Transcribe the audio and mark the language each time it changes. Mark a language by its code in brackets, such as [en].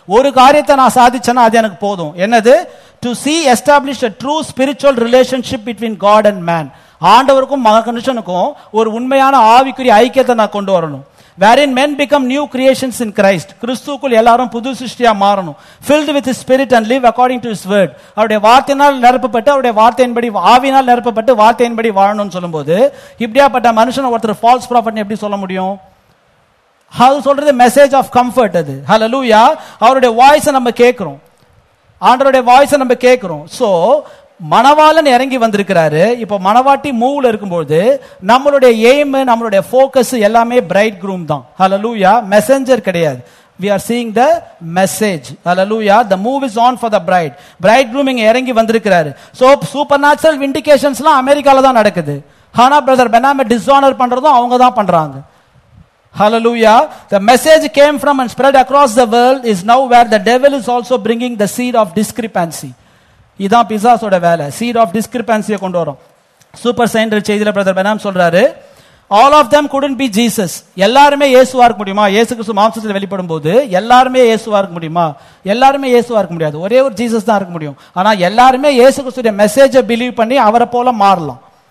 [ta] ஒரு காரியத்தை நான் சாதிச்சேன்னா அது எனக்கு போதும். என்னது? [en] To see establish a true spiritual relationship between God and man. [ta] ஆண்டவருக்கும் மகனுஷனுக்கும் ஒரு உண்மையான ஆவிக்குரிய ஐக்கியத்தை நான் கொண்டு வரணும். [en] Wherein men become new creations in Christ. [ta] கிறிஸ்துக்குள் எல்லாரும் புது சிருஷ்டியா மாறணும். [en] Filled with his spirit and live according to his word. [ta] அவருடைய வார்த்தையினால் நிரப்பப்பட்டு, அவருடைய வார்த்தையின்படி, ஆவியினால் நிரப்பப்பட்டு வார்த்தையின்படி வாழணும்னு சொல்லும்போது, இப்படியாப்பட்ட மனுஷன் ஒருத்தர் ஃபால்ஸ் ப்ராஃபட்னு எப்படி சொல்ல முடியும்? அது சொல்றது மெசேஜ் ஆஃப் கம்ஃபர்ட் அது. ஹல்லேலூயா. அவருடைய வாய்ஸை நம்ம கேட்கிறோம், ஆண்டவருடைய வாய்ஸை நம்ம கேட்கிறோம். சோ மணவாளன் இறங்கி வந்திருக்கிறாரு. இப்போ மணவாட்டி மூவ்ல இருக்கும்போது நம்மளுடைய எய்ம், நம்மளுடைய ஃபோக்கஸ் எல்லாமே பிரைட் க்ரூம் தான். ஹல்லேலூயா. மெசஞ்சர் கிடையாது. [en] We are seeing the message. Hallelujah. The move is on for the bride. [ta] Bridegrooming இறங்கி வந்திருக்கிறாரு. சோ சூப்பர்நேச்சுரல் விண்டிகேஷன்ஸ்லாம் அமெரிக்கால தான் நடக்குது. ஆனா பிரதர் பெனாமே டிஸ்ஆனர் பண்றதும் அவங்க தான் பண்றாங்க. Hallelujah. [en] The message came from and spread across the world is now where the devil is also bringing the seed of discrepancy. [ta] இதுதான் பிசாஸோட வேலை. சீட் ஆஃப் டிஸ்கிரிபன்சியை கொண்டு வரும். சூப்பர் சைன்ற செய்தியில் பிரதர் பெனாம் சொல்றாரு, [en] All of them couldn't be Jesus. [ta] எல்லாருமே இயேசுவா இருக்க முடியுமா? இயேசு கிறிஸ்து மாம்சத்தில் வெளிப்படும் போது எல்லாருமே இயேசுவா இருக்க முடியுமா? எல்லாருமே இயேசுவா இருக்க முடியாது. ஒரே ஒரு ஜீசஸ் தான் இருக்க முடியும். ஆனா எல்லாருமே இயேசு கிறிஸ்துடைய மெசேஜை பிலீவ் பண்ணி அவரை போல மாறலாம்.